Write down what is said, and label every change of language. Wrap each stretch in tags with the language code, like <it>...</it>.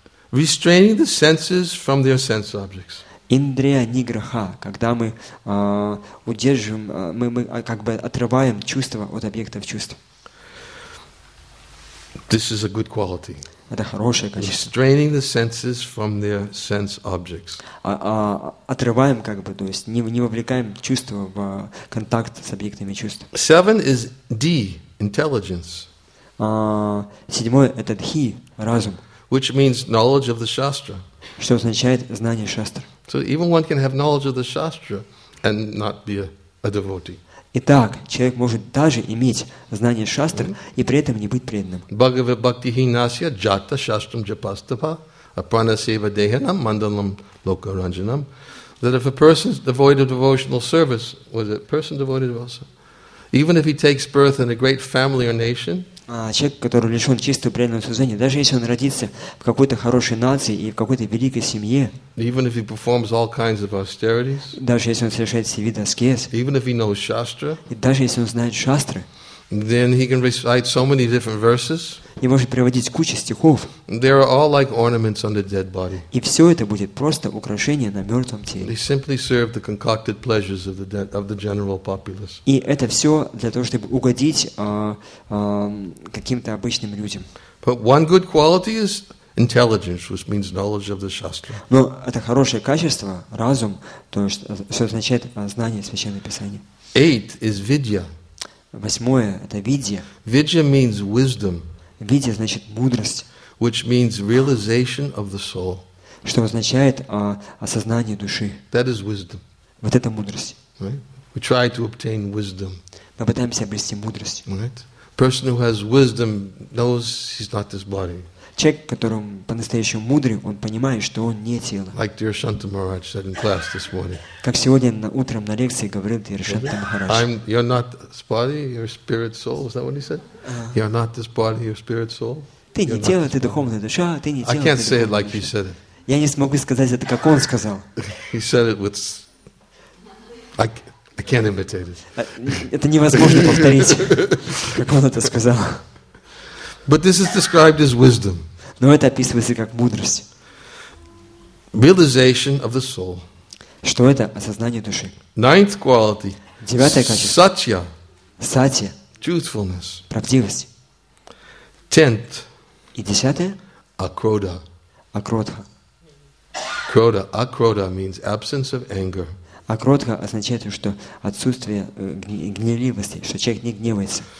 <en>Restraining the senses from their sense objects.</en> <sa>Индрия Ниграха.</sa> <ru>Когда мы удерживаем, мы как бы отрываем чувства от объектов чувств.</ru> <en>This is a good quality.</en> <ru>Это хорошее качество.</ru> <en>Restraining the senses from their sense objects.</en> <ru>Отрываем, как бы, то есть не вовлекаем чувства в контакт с объектами чувств.</ru> <en>Seven is D, intelligence.</en> <ru>Седьмое – это Dhi, разум.</ru> <en>Which means knowledge of the Shastra.</en> <ru>Что означает знание Шастры.</ru> <en>So even one can have knowledge of the Shastra and not be a devotee.</en> <ru>Итак, человек может даже иметь знание шастр и при этом не быть преданным.</ru> <sa>Бхагава бхактихи насья джата шастрам джапастапа апранасева деханам мандалам локаранжанам.</sa> <en>That if a person is devoid of devotional service, was a person devoid of also, even if he takes birth in a great family or nation,</en> <ru>человек, который лишен чистого преданного служения, даже если он родится в какой-то хорошей нации и в какой-то великой семье,</ru> <en>even if he performs all kinds of austerities,</en> <ru>даже если он совершает все виды аскез,</ru> <en>even if he knows Shastra,</en> <ru>и даже если он знает шастры,</ru> <en>then he can recite so many different verses,</en> <ru>и может приводить кучу стихов,</ru> <en>they are all like ornaments on the dead body,</en> <ru>и все это будет просто украшение на мертвом теле.</ru> <en>They simply serve the concocted pleasures of the general populace.</en> <ru>И это все для того, чтобы угодить каким-то обычным людям.</ru> <en>But one good quality is intelligence, which means knowledge of the Shastra.</en> <ru>Но это хорошее качество, разум, то есть что означает знание Священного Писания.</ru> <en>Eight is vidya.</en> <ru>Восьмое – это видья.</ru> <en>Vidya means wisdom.</en> <ru>Видья значит мудрость.</ru> <en>Which means realization of the soul.</en> <ru>Что означает осознание души.</ru> <en>That is wisdom.</en> <ru>Вот это мудрость.</ru> <en>Right? We try to obtain wisdom.</en> <ru>Мы пытаемся обрести мудрость.</ru> <en>Right? Person who has wisdom knows he's not this body.</en> <ru>Человек, которым по-настоящему мудрый, он понимает, что он не тело.</ru> <en>Like Dear Shanta Maharaj said in class this morning.</en> <ru>Как сегодня утром на лекции говорил Dear Shanta Maharaj.</ru> <en>You're not this body, you're spirit soul. Is that what he said? You're not this body, you're spirit soul.</en> <ru>Ты не тело, ты духовная душа. Ты не тело.</ru> <en>I can't say it like he said it.</en> <ru>Я не смогу сказать это, как он сказал.</ru> <en>He said it with. I can't imitate it.</en> <ru>Это невозможно повторить, как он это сказал.</ru> <en>But this is described as wisdom.</en> <ru>Но это описывается как мудрость.</ru> <en>Realization of the soul.</en> <ru>Что это? Осознание души.</ru> <en>Ninth quality.</en> <ru>Девятое качество.</ru> <sa>Satya. Сатья.</sa> <en>Truthfulness.</en> <ru>Правдивость.</ru> <en>Tenth.</en> <ru>И десятое.</ru> <sa>Акрода. Акродха. Крода.</sa> <en>Акрода means absence of anger.</en> <ru>Акродха означает, что отсутствие гневливости, что человек не гневается.</ru>